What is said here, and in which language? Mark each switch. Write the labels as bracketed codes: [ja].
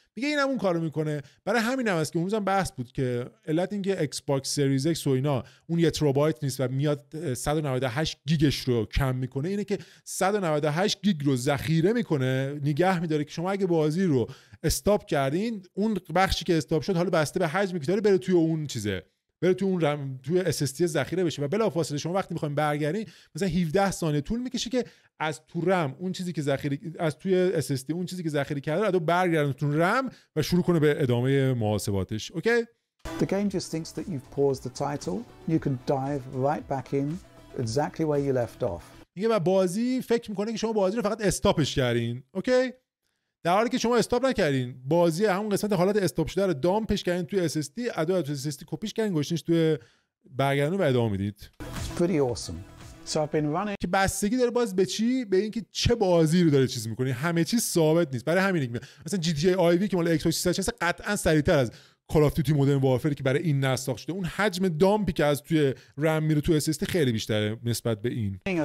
[fa] میگه اینم اون کارو میکنه برای همین هم است که اونم بحث بود که علت اینکه ایکس باکس سریز ایکس و اینا اون 1 ترابایت نیست و میاد 198 گیگش رو کم میکنه اینه که 198 گیگ رو ذخیره میکنه نگه میداره که شما اگه بازی رو استاپ کردین اون بخشی که استاپ شد حالا بسته به حجمی که داره بره توی اون چیزه بره توی اون رم توی SSD ذخیره بشه و بلافاصله شما وقتی میخواییم برگردین مثلا 17 ثانیه طول میکشه که از تو رم اون چیزی که ذخیره از توی SSD اون چیزی که ذخیره کرده رو برگردن تو رم و شروع کنه به ادامه محاسباتش اوکی [en] The game just thinks that you've paused the title you can dive right back in exactly where you left off [fa] میگه و بازی فکر میکنه که شما بازی رو فقط استاپش کردین اوکی در حالی که شما استاپ نکردین بازی همون قسمت حالت استاپ شده رو دام پیش کردین توی SSD ادا تو SSD کپیش کردین گوشینش توی برگردون و ادامه میدید [en] pretty awesome so I've been running [fa] که بستگی داره باز به چی به اینکه چه بازی رو داره چیز میکنی همه چیز ثابت نیست برای همین میگم مثلا GTA IV که مال Xbox 360 قطعا سریعتر از Call of Duty Modern Warfare که برای این نسل ساخته شده اون حجم دامپی که از توی رم میره توی SSD خیلی بیشتره نسبت به این